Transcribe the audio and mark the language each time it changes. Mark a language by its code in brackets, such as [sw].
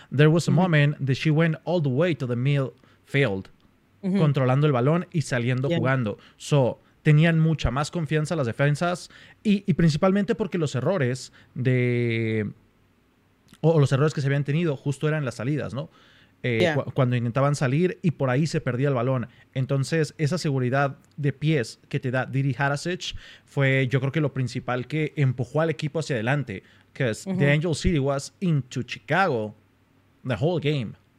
[en] There was a moment that she went all the way to the midfield, [es] controlando el balón y saliendo jugando. So, tenían mucha más confianza las defensas y principalmente porque los errores de o los errores que se habían tenido justo eran las salidas, ¿no? Cuando intentaban salir y por ahí se perdía el balón. Entonces, esa seguridad de pies que te da Didi Hadasich fue, yo creo que lo principal que empujó al equipo hacia adelante. [en] Because the Angel City was into Chicago the whole game.